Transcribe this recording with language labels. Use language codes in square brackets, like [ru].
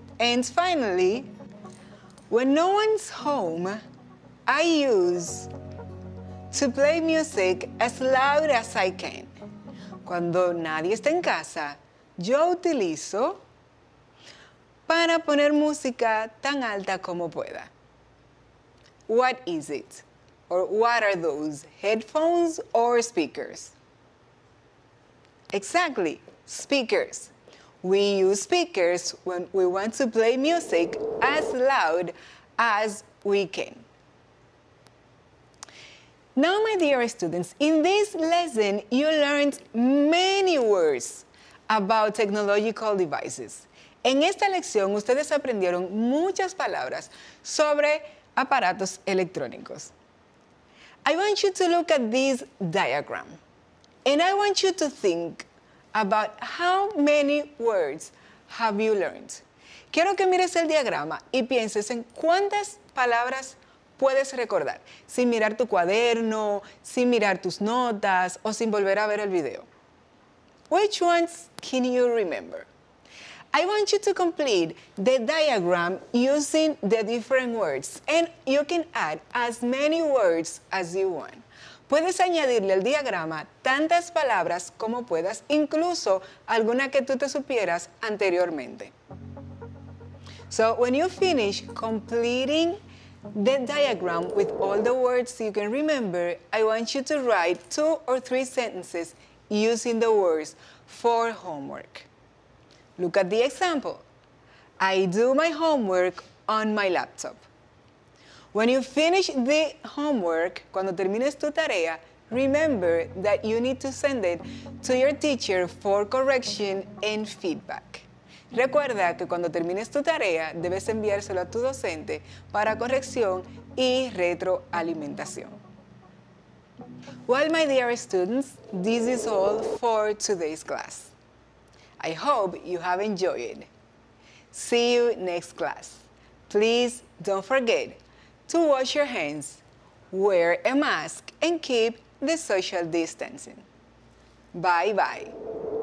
[en] And finally, when no one's home, I use to play music as loud as I can. [es] Cuando nadie está en casa, yo utilizo para poner música tan alta como pueda. [en] What is it? Or what are those? Headphones or speakers? Exactly, speakers. We use speakers when we want to play music as loud as we can. Now, my dear students, in this lesson, you learned many words about technological devices. [es] En esta lección, ustedes aprendieron muchas palabras sobre aparatos electrónicos. [en] I want you to look at this diagram, and I want you to think about how many words have you learned. [es] Quiero que mires el diagrama y pienses en cuántas palabras puedes recordar, sin mirar tu cuaderno, sin mirar tus notas, o sin volver a ver el video. [en] Which ones can you remember? I want you to complete the diagram using the different words, and you can add as many words as you want. [es] Puedes añadirle al diagrama tantas palabras como puedas, incluso alguna que tú te supieras anteriormente. [en] So, when you finish completing the diagram with all the words you can remember, I want you to write two or three sentences using the words for homework. Look at the example. I do my homework on my laptop. When you finish the homework, [es] cuando termines tu tarea, [en] remember that you need to send it to your teacher for correction and feedback. [es] Recuerda que cuando termines tu tarea, debes enviárselo a tu docente para corrección y retroalimentación. [en] Well, my dear students, this is all for today's class. I hope you have enjoyed. See you next class. Please don't forget to wash your hands, wear a mask, and keep the social distancing. Bye-bye.